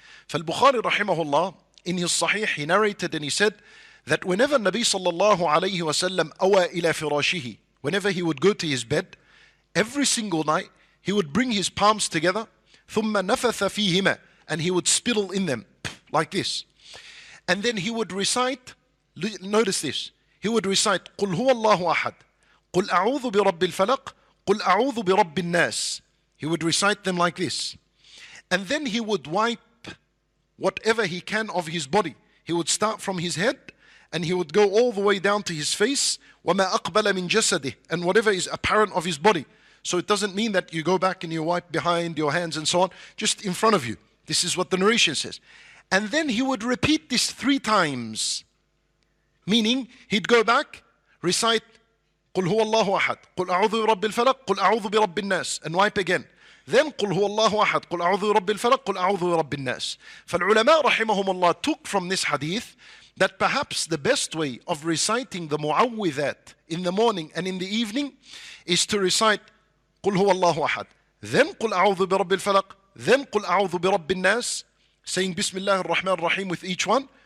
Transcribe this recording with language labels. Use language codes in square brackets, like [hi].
[ar] فالبخاري رحمه الله [en] in his صحيح he narrated and he said that whenever [ar] النبي صلى الله عليه وسلم أوى إلى فراشه, [en] whenever he would go to his bed, every single night he would bring his palms together, [ar] ثم نفث فيهما, [en] and he would spittle in them like this, and then he would recite. Notice this. He would recite [ar] قل هو الله أحد, قل أعوذ برب الفلق, قل أعوذ برب الناس. [en] He would recite them like this, and then he would wipe whatever he can of his body. He would start from his head, and he would go all the way down to his face, [ar] وما أقبل من جسده, [en] and whatever is apparent of his body. So it doesn't mean that you go back and you wipe behind your hands and so on, just in front of you. This is what the narration says. And then he would repeat this three times, meaning he'd go back, recite, [ar] قل هو الله أحد, قل أعوذ برب الفلق, قل أعوذ برب الناس, [en] and wipe again. [ar] Then قل هو الله أحد, قل أعوذ برب الفلق, قل أعوذ برب الناس. فالعلماء رحمهم الله [en] took from this hadith that perhaps the best way of reciting the معوذات in the morning and in the evening is to recite [ar] قل هو الله أحد, [en] then [ar] قل أعوذ برب الفلق, [en] then [ar] قل أعوذ برب الناس, [en] saying [ar] بسم الله الرحمن الرحيم [en] with each one.